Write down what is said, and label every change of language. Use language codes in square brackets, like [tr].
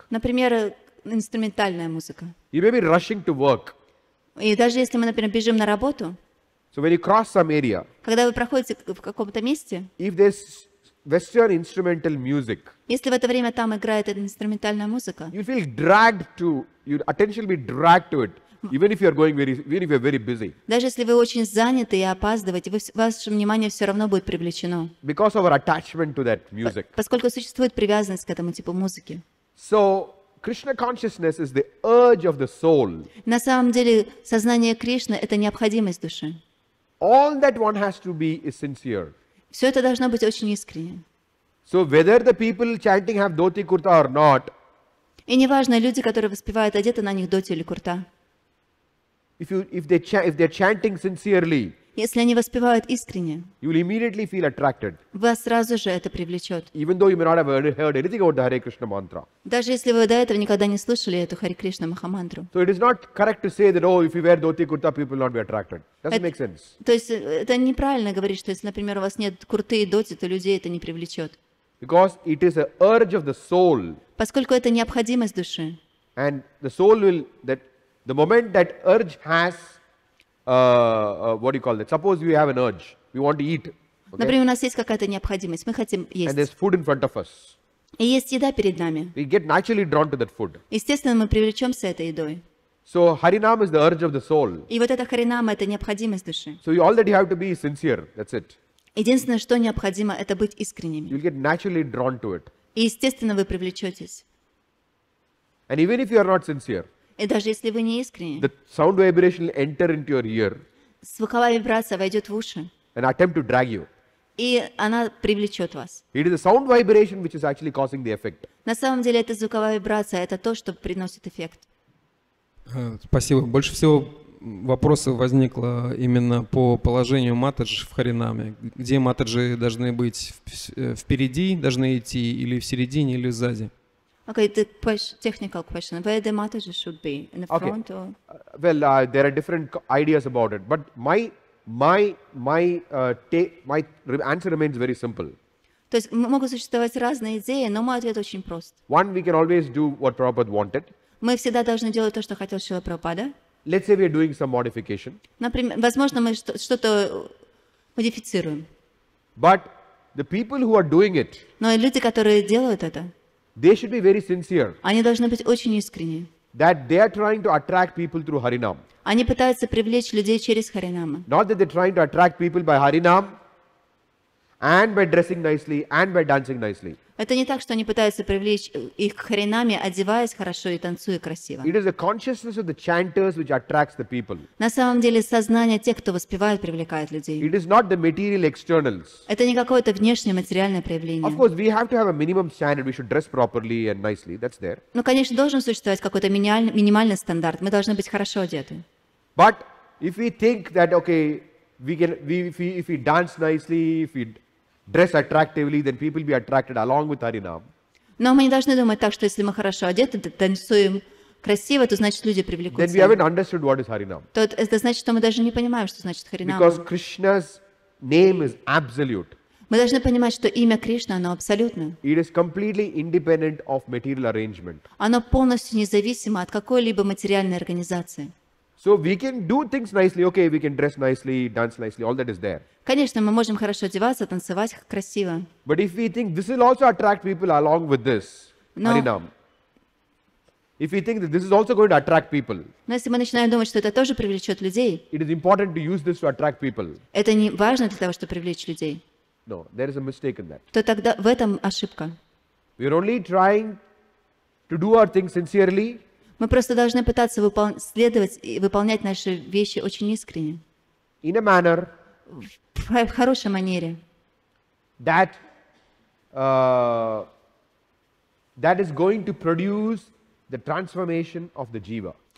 [ru] Например, инструментальная музыка. [en] You may be rushing to work. [ru] И даже если мы, например, бежим на работу. [en] So when you cross some area. [ru] Когда вы проходите в каком-то месте. [en] If there's Western instrumental music. [ru] Если в это время там играет инструментальная музыка. [en] You feel dragged to, your attention will be dragged to it. Even if you're going very, even if you're very busy. [ru] Даже если вы очень заняты и опаздываете, ваше внимание все равно будет привлечено. [en] Because of our attachment to that music. [ru] Поскольку существует привязанность к этому типу музыки. [en] So Krishna consciousness is the urge of the soul. [ru] На самом деле сознание Кришны это необходимость души. [en] All that one has to be is sincere. [ru] Все это должно быть очень искренне. [en] So whether the people chanting have dhoti kurta or not. [ru] И неважно люди, которые воспевают, одеты на них dhoti или kurta. [en] If they're chanting sincerely, [ru] если они воспевают искренне, [en] you will immediately feel attracted. [ru] Вас сразу же это привлечет. [en] Even though you may not have heard anything about the Hare Krishna mantra. [ru] Даже если вы до этого никогда не слышали эту Hare Krishna Махамантру. [en] So it is not correct to say that oh, if you wear dhoti kurta, people will not be attracted. Doesn't make sense. [ru] То есть это неправильно говорить, что если, например, у вас нет курты и доти, то людей это не привлечет. [en] Because it is an urge of the soul. [ru] Поскольку это необходимость души. [en] And the soul will that. The moment that urge has, what do you call that? Suppose we have an urge, we want to eat. Okay? [ru] Например, у нас есть какая-то необходимость, мы хотим есть. [en] And there's food in front of us. [ru] И есть еда перед нами. [en] We get naturally drawn to that food. [ru] Естественно, мы привлечемся этой едой. [en] So Харинам is the urge of the soul. [ru] И вот это Харинама это необходимость души. [en] So all that you have to be is sincere. That's it. [ru] Единственное, что необходимо, это быть искренними. [en] You'll get naturally drawn to it. [ru] И естественно, вы привлечетесь. [en] And even if you are not sincere. [ru] И даже если вы не искренне, [en] the sound vibration will enter into your ear. [ru] Звуковая вибрация войдет в уши. [en] And attempt to drag you. [ru] И она привлечет вас. [en] It is the sound vibration which is actually causing the effect. [ru] На самом деле это звуковая вибрация, это то, что приносит эффект. Спасибо. Больше всего вопросов возникло именно по положению матаджи в Харинаме. Где матаджи должны быть? Впереди должны идти или в середине, или сзади? [en] Okay, the technical question. Where the Mataji should be? In the front okay. Or? Well, there are different ideas about it. But my answer remains very simple. [ru] То есть могут существовать разные идеи, но мой ответ очень прост. [en] One, we can always do what Prabhupada wanted. [ru] Мы всегда должны делать то, что хотел Шрила Прабхупада. [en] Let's say we are doing some modification. [ru] Например, возможно, мы что-то модифицируем. [en] But the people who are doing it. [ru] Но люди, которые делают это. [en] They should be very sincere. [ru] Они должны быть очень искренни. [en] That they are trying to attract people through Harinam. [ru] Они пытаются привлечь людей через Харинама. [en] Not that they're trying to attract people by Harinam and by dressing nicely and by dancing nicely. [ru] Это не так, что они пытаются привлечь их к Харинаме, одеваясь хорошо и танцуя красиво. [en] It is the consciousness of the chanters which attracts the people. [ru] На самом деле, сознание тех, кто воспевает, привлекает людей. [en] It is not the material externals. [ru] Это не какое-то внешнее материальное проявление. [en] Of course, we have to have a minimum standard. We should dress properly and nicely. That's there. [ru] Ну, конечно, должен существовать какой-то минимальный стандарт. Мы должны быть хорошо одеты. [en] But if we think that okay, if we dance nicely, if we dress attractively, then people will be attracted along with Harinam. [ru] Но мы не должны думать так, что если мы хорошо одеты, танцуем красиво, то значит люди привлекутся. [en] Then we haven't understood what is Harinam. [ru] То это значит, что мы даже не понимаем, что значит Харинам. [en] Because Krishna's name is absolute. [ru] Мы должны понимать, что имя Кришна, оно абсолютно. [en] It is completely independent of material arrangement. [ru] Оно полностью независимо от какой-либо материальной организации. [en] So we can do things nicely, okay, we can dress nicely, dance nicely, all that is there. [ru] Конечно, мы можем хорошо одеваться, танцевать красиво. [en] But if we think this will also attract people along with this, Harinam. If we think that this is also going to attract people. [ru] Но если мы начинаем думать, что это тоже привлечет людей. [en] It is important to use this to attract people. [ru] Это не важно для того, чтобы привлечь людей. [en] No, there is a mistake in that. [ru] То тогда в этом ошибка. [en] We are only trying to do our things sincerely. [ru] Мы просто должны пытаться следовать и выполнять наши вещи очень искренне. [en] In a manner, [ru] в хорошей манере. [en] That, that is going to produce the transformation of the jiva.